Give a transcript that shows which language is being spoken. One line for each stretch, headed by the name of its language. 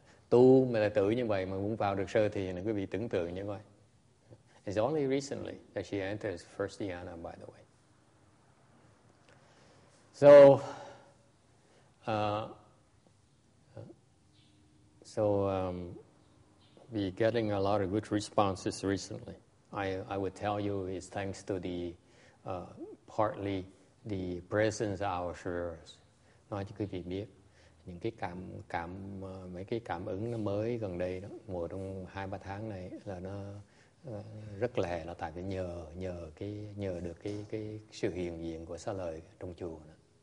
Vietnamese: Tu mà là tử như vậy mà muốn vào được sơ thiền, quý vị tưởng tượng như vậy.
English: It's only recently that she enters first dhyana, by the way. So we're getting a lot of good responses recently. I would tell you it's thanks to the partly the presence of our sharers.
Vietnamese: Nói cho quý vị biết những cái cảm mấy cái cảm ứng nó mới gần đây đó, mùa trong 2-3 tháng này là nó rất lẻ, là tại vì nhờ được cái sự hiện diện của xá lợi trong chùa đó.